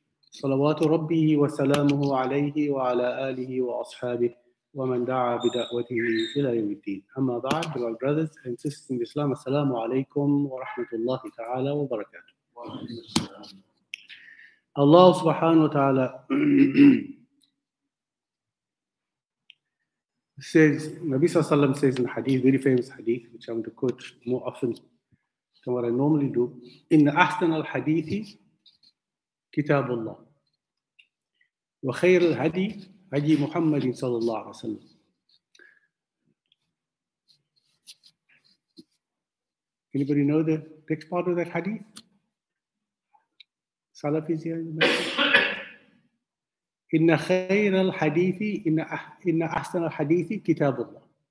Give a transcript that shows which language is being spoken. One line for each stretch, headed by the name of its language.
Arabic: صلوات ربه وسلامه عليه وعلى آله وأصحابه ومن دعا بدعوته إلى يوم الدين. أما بعد,
English: my brothers and sisters in Islam,
Arabic: السلام عليكم ورحمة الله تعالى وبركاته.
English: الله سبحانه وتعالى says, Nabi صلى الله عليه وسلم says in hadith, very famous hadith, which I'm going to quote more often than what I normally do,
Arabic: إن أحسن الحديث كتاب الله وخير الهدي هدي محمد صلى الله عليه وسلم.
English: Anybody know the next part of that hadith? Salafis here.
Arabic: إن خير الحديث إن أحسن الحديث كتاب الله.